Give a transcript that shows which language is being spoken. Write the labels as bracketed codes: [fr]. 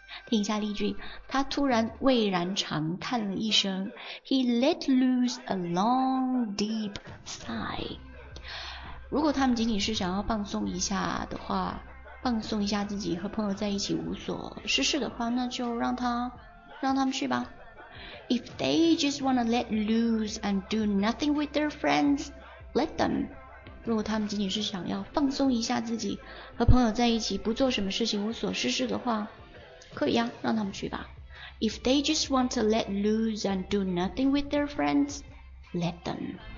[zh] 听一下例句，他突然蔚然长叹了一声。 [en] He let loose a long, deep sigh. [zh] 如果他们仅仅是想要放松一下的话，放松一下自己，和朋友在一起无所事事的话，那就让他们去吧。 [en] If they just wanna let loose and do nothing with their friends, let them. [zh] 如果他们仅仅是想要放松一下自己，和朋友在一起不做什么事情无所事事的话，可以啊，让他们去吧。 [en] If they just want to let loose and do nothing with their friends, let them.